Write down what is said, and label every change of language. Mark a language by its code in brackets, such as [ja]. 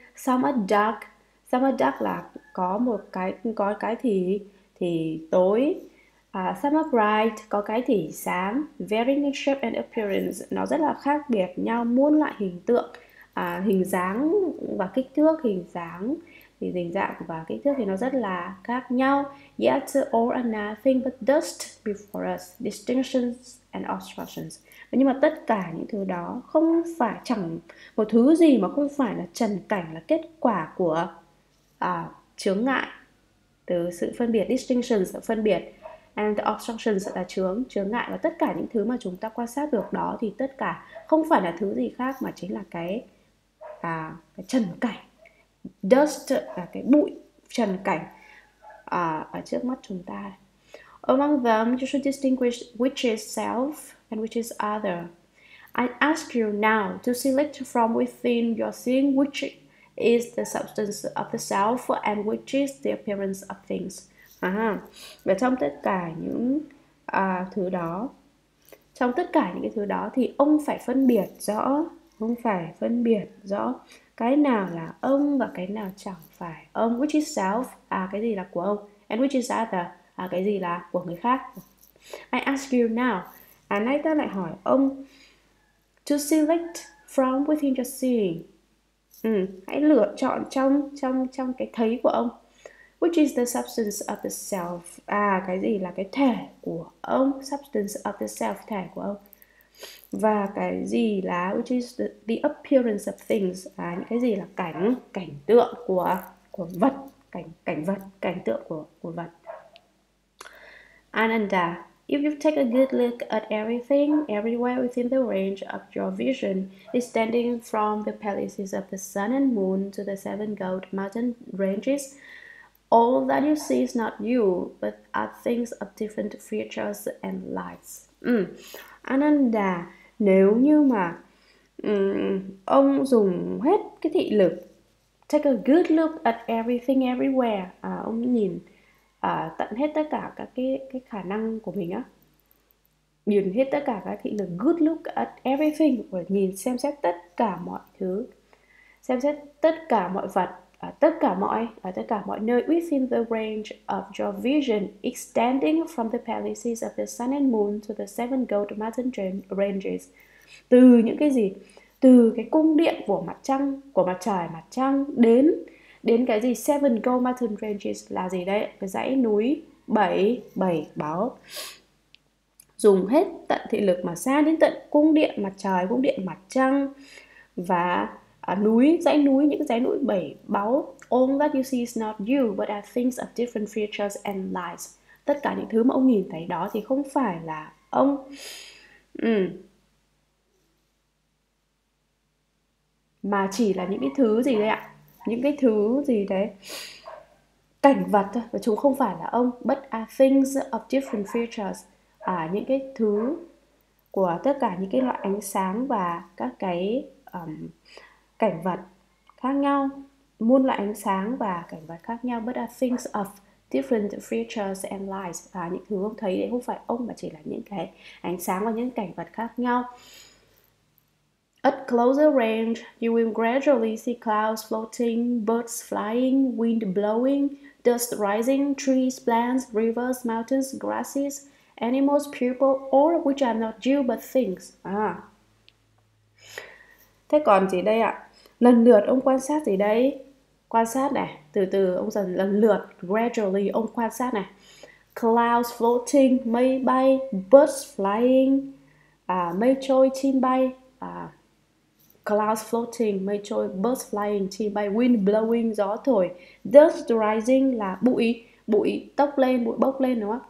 [en] Some are dark, some are dark [vi] là có một cái, có cái thì tối. [en] Some are bright, [vi] có cái thì sáng. [en] Varying in shape and appearance, [vi] nó rất là khác biệt nhau, muôn loại hình tượng, hình dáng và kích thước, hình dáng thì hình dạng và kích thước thì nó rất là khác nhau. [en] Yet all are nothing but dust before us, distinctions and obstructions. [vi] Nhưng mà tất cả những thứ đó không phải, chẳng một thứ gì mà không phải là trần cảnh, là kết quả của chướng ngại, từ sự phân biệt, [en] distinctions [vi] là phân biệt, [en] and the obstructions [vi] là chướng ngại, và tất cả những thứ mà chúng ta quan sát được đó thì tất cả không phải là thứ gì khác mà chính là cái trần cảnh. Dust là cái bụi trần cảnh ở trước mắt chúng ta. [en] Among them, you should distinguish which is self and which is other. I ask you now to select from within your seeing which is the substance of the self and which is the appearance of things. [vi] Và trong tất cả những thứ đó, trong tất cả những cái thứ đó thì ông phải phân biệt rõ, ông phải phân biệt rõ cái nào là ông và cái nào chẳng phải ông. [en] Which is self, [vi] cái gì là của ông. [en] And which is other, [vi] cái gì là của người khác. [en] I ask you now, [vi] nay ta lại hỏi ông, [en] to select from within your seeing, [vi] hãy lựa chọn trong cái thấy của ông. [en] Which is the substance of the self, [vi] cái gì là cái thể của ông. [en] Substance of the self, [vi] thể của ông. Và cái gì là, [en] which is the appearance of things, [vi] những cái gì là cảnh tượng của vật, cảnh vật, cảnh tượng của vật. [en] Ananda, if you take a good look at everything, everywhere within the range of your vision, extending from the palaces of the sun and moon to the seven gold mountain ranges, all that you see is not you, but are things of different features and lights. [vi] Ananda, nếu như mà ông dùng hết cái thị lực, [en] take a good look at everything everywhere, [vi] ông nhìn tận hết tất cả các cái khả năng của mình á, nhìn hết tất cả các thị lực, [en] good look at everything, [vi] và nhìn xem xét tất cả mọi thứ, xem xét tất cả mọi vật, tất cả mọi nơi, [en] within the range of your vision, extending from the palaces of the sun and moon to the seven gold mountain ranges, [vi] từ những cái gì, từ cái cung điện của mặt trăng, của mặt trời mặt trăng, đến cái gì, [en] seven gold mountain ranges [vi] là gì đấy, cái dãy núi bảy báo, dùng hết tận thị lực mà xa đến tận cung điện mặt trời, cung điện mặt trăng và núi, dãy núi, những dãy núi bảy báu. [en] All that you see is not you, but are things of different features and lights. [vi] Tất cả những thứ mà ông nhìn thấy đó thì không phải là ông. Mà chỉ là những cái thứ gì đấy ạ? Những cái thứ gì đấy? Cảnh vật thôi, và chúng không phải là ông. [en] But are things of different features. [vi] Những cái thứ của tất cả những cái loại ánh sáng và các cái cảnh vật khác nhau, muôn loại ánh sáng và cảnh vật khác nhau. [en] But are things of different features and lights, [vi] và những thứ ông thấy đấy không phải ông, mà chỉ là những cái ánh sáng và những cảnh vật khác nhau. [en] At closer range, you will gradually see clouds floating, birds flying, wind blowing, dust rising, trees, plants, rivers, mountains, grasses, animals, people, all of which are not you but things. [vi] Thế còn gì đây ạ? Lần lượt ông quan sát gì đây? Quan sát này, từ từ ông dần lần lượt, gradually ông quan sát này. [en] Clouds floating, [vi] mây bay, [en] birds flying, [vi] mây trôi chim bay, [en] clouds floating, [vi] mây trôi [en] birds flying, [vi] chim bay [en] wind blowing, [vi] gió thổi, [en] dust rising [vi] là bụi, bụi tốc lên, bụi bốc lên đúng không?